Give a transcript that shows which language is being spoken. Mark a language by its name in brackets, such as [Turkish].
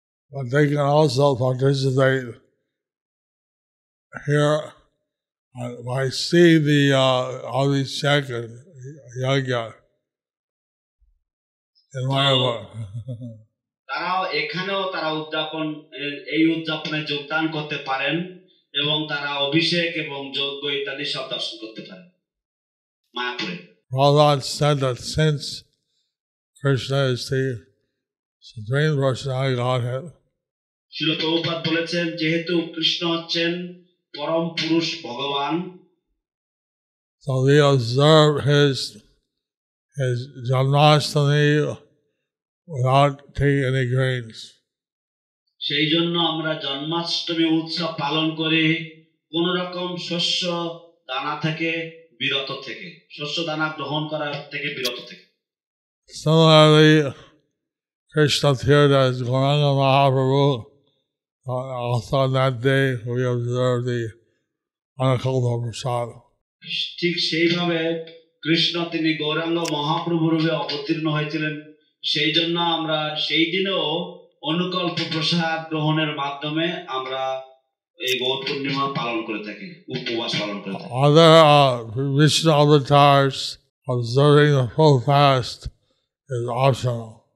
[English] But they can also participate here by seeing the Abhishek and Yajna in Mayapur. [Bangla] তারাও এখানেও তারা উদযাপন এই উদযাপনে যোগদান করতে পারেন এবং তারা অভিষেক এবং যজ্ঞ ইত্যাদি সব দর্শন করতে পারেন মায়াপুরে [English] Prabhupada said that since Krishna is the Supreme Personality of Godhead [Bangla] Shri Prabhupada বলেছেন যেহেতু কৃষ্ণ হচ্ছেন পরম পুরুষ ভগবান [English] So we observe his Janmashtami without taking any grains. [Bangla] সেই জন্য আমরা জন্মাষ্টমী উৎসব পালন করে কোন রকম শস্য দানা থেকে বিরত থেকে শস্য দানা গ্রহণ করা থেকে বিরত থেকে [English] Similarly, Krishna appeared as Gauranga Mahaprabhu also on that day we observed the Anakulpa Prasad. [Bangla] ঠিক সেইভাবে কৃষ্ণ তিনি গৌরাঙ্গ মহাপ্রভু রূপে অবতীর্ণ হয়েছিলেন সেই জন্য আমরা সেই দিনেও অনুকল্প প্রসাদ গ্রহণের মাধ্যমে আমরা এই গৌর পূর্ণিমা পালন করে থাকি উপবাস পালন করে থাকি [English] Other Vishnu avatars observing the full fast is optional.